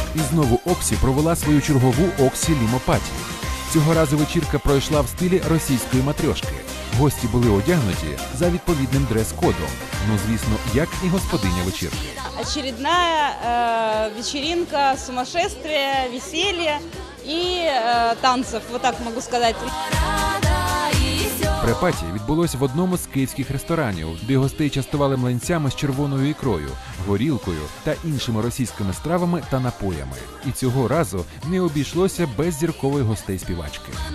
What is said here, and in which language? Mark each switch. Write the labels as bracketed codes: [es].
[uk] знову Оксі провела свою чергову Оксі Лімопаті. Цього разу вечірка пройшла в стилі російської матрьошки. Гості були одягнуті за відповідним дрес-кодом. Ну, звісно, як і господиня вечірки. [ru] Очередная вечеринка, сумасшествие, веселье и танцев, вот так могу сказать. [uk] Препаті відбулось в одному з київських ресторанів, де гостей частували млинцями з червоною ікрою, горілкою та іншими російськими стравами та напоями. І цього разу не обійшлося без зіркової гостей співачки.